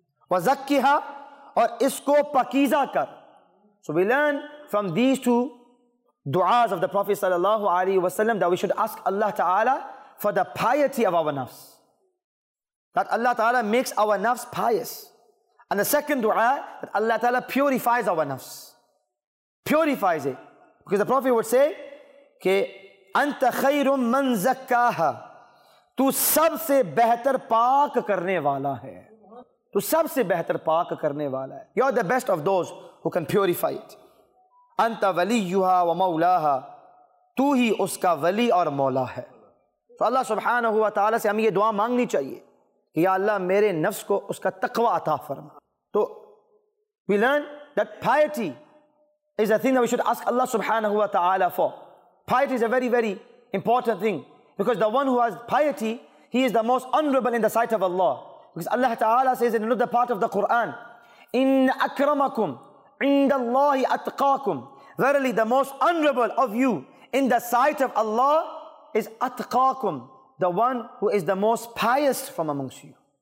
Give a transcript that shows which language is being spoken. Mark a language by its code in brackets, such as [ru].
[ar] وَزَكِّهَا, [ur] اور اس کو پاکیزہ کر. [en] So we learn from these two du'as of the Prophet sallallahu alayhi wa sallam that we should ask Allah Ta'ala for the piety of our nafs, that Allah Ta'ala makes our nafs pious. And the second du'a, that Allah Ta'ala purifies our nafs, purifies it. Because the Prophet would say [ur] کہ [ar] انتَ خَيْرٌ مَنْ زَكَّاهَا, [ur] تو سب سے بہتر پاک کرنے والا ہے. تو سب سے بہتر پاک کرنے والا ہے. [en] You are the best of those who can purify it. [ar] انت ولیها و مولاها, [ur] تو ہی اس کا ولی اور مولا ہے. تو اللہ سبحانہ وتعالی سے ہم یہ دعا مانگنی چاہیے کہ یا اللہ میرے نفس کو اس کا تقوی عطا فرما. [en] تو we learn that piety is a thing that we should ask Allah سبحانہ وتعالی for. Piety is a very, very important thing, because the one who has piety, he is the most honorable in the sight of Allah. Because Allah Ta'ala says in another part of the Quran, [ar] إِنَّ أَكْرَمَكُمْ عِنْدَ اللَّهِ أَتْقَاكُمْ, [en] verily the most honorable of you in the sight of Allah is أَتْقَاكُمْ, the one who is the most pious from amongst you.